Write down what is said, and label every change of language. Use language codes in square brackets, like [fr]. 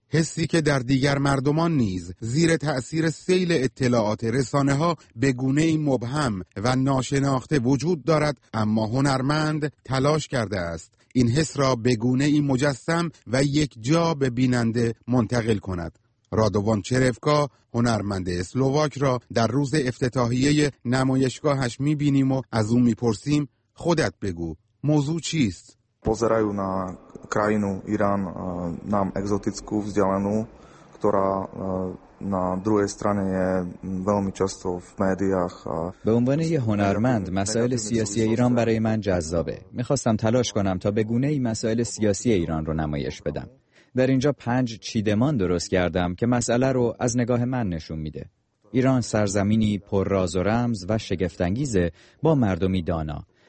[fa] حسی که در دیگر مردمان نیز زیر تأثیر سیل اطلاعات رسانه‌ها به گونه‌ای مبهم و ناشناخته وجود دارد، اما هنرمند تلاش کرده است این حس را به گونه‌ای مجسم و یک جا به بیننده منتقل کند. رادوان چرفکا، هنرمند اسلواک را در روز افتتاحیه نمایشگاهش می‌بینیم و از او می‌پرسیم خودت بگو موضوع چیست؟ [sk] Pozerajú na krajinu Irán, nám exotickú, vzdialenú, ktorá na druhej strane je veľmi často v médiách. [fa] به عنوان یه هنرمند مسائل سیاسی ایران برای من جذابه. میخواستم تلاش کنم تا به گونه ای مسائل سیاسی ایران رو نمایش بدم. در اینجا 5 چیدمان درست کردم که مسئله رو از نگاه من نشون میده. ایران سرزمینی پر راز و رمز و شگفت‌انگیزه با مردمی دانا.